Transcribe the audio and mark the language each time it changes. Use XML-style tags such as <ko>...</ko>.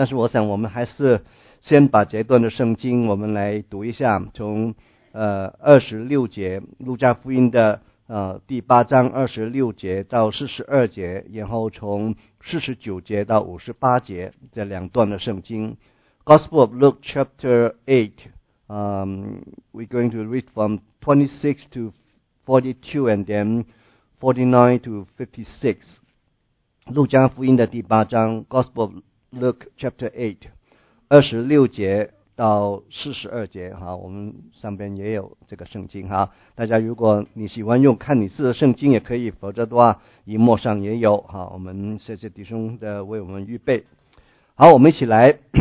<zh>但是我想我们还是先把这段的圣经我们来读一下，从26节路加福音的第八章26节到42节，然后从49节到58节这两段的圣经。</zh> <en>Gospel of Luke chapter 8 we're going to read from 26 to 42 and then 49 to 56.</en> <zh>路加福音的第八章</zh> <en>Gospel of Luke chapter 8</en> <zh>26节到42节。好，我们上边也有这个圣经。好，大家如果你喜欢用看你字的圣经也可以，否则的话荧幕上也有。好，我们谢谢弟兄的为我们预备。好，我们一起来。</zh>